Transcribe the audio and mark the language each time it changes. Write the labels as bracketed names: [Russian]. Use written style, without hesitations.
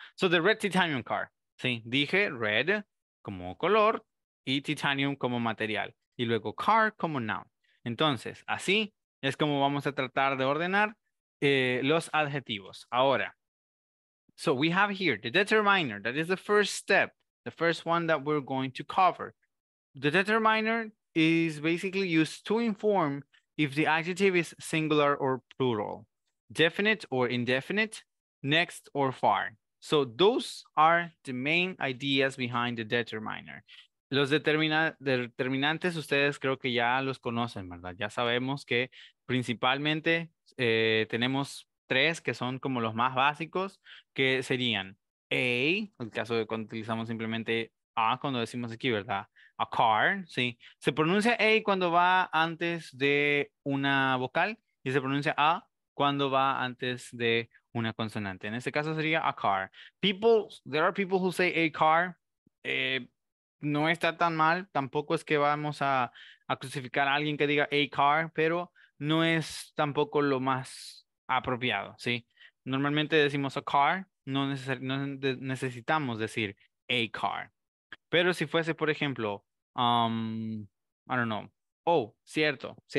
[English] So, the red titanium car. [Spanish] Sí, dije red como color y titanium como material. Y luego car como noun. Entonces, así es como vamos a tratar de ordenar los adjetivos. Ahora, [English] so we have here the determiner. That is the first step. The first one that we're going to cover. The determiner is basically used to inform if the adjective is singular or plural, definite or indefinite, next or far. So those are the main ideas behind the determiner. [Spanish] Los determinantes ustedes creo que ya los conocen, ¿verdad? Ya sabemos que principalmente tenemos tres que son como los más básicos, que serían A, el caso de cuando utilizamos simplemente A cuando decimos aquí, ¿verdad? A car, sí. Se pronuncia A cuando va antes de una vocal y se pronuncia A cuando va antes de una consonante. En este caso sería a car. [English] People, there are people who say a car. [Spanish] No está tan mal. Tampoco es que vamos a crucificar a alguien que diga a car, pero no es tampoco lo más apropiado, ¿sí? Normalmente decimos a car, no necesitamos decir a car. Pero si fuese, por ejemplo, [English] I don't know. [Spanish] Oh, cierto.